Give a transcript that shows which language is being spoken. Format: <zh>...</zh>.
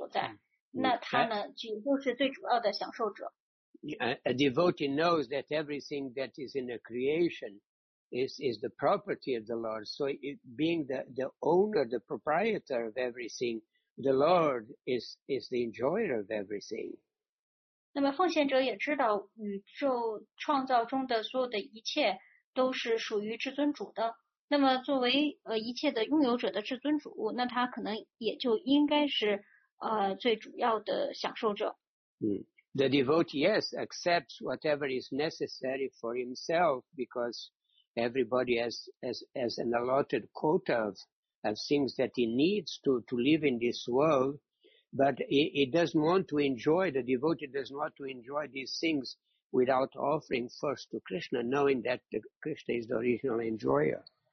<zh>那因为父亲呢，他要维系他的责任是维系整个的这个家庭，所以呢，他有更多的这种责任所在。那他呢，就是最主要的享受者。</zh> <en>A devotee knows that everything that is in the creation is the property of the Lord. So being the owner, the proprietor of everything, the Lord is the enjoyer of everything.</en> <zh>那么奉献者也知道宇宙创造中的所有的一切都是属于至尊主的。那么作为一切的拥有者的至尊主，那他可能也就应该是最主要的享受者。The</zh> <en>devotee, yes, accepts whatever is necessary for himself because everybody has an allotted quota of things that he needs to live in this world, but he doesn't want to enjoy, the devotee doesn't want to enjoy these things without offering first to Krishna, knowing that Krishna is the original enjoyer.</en>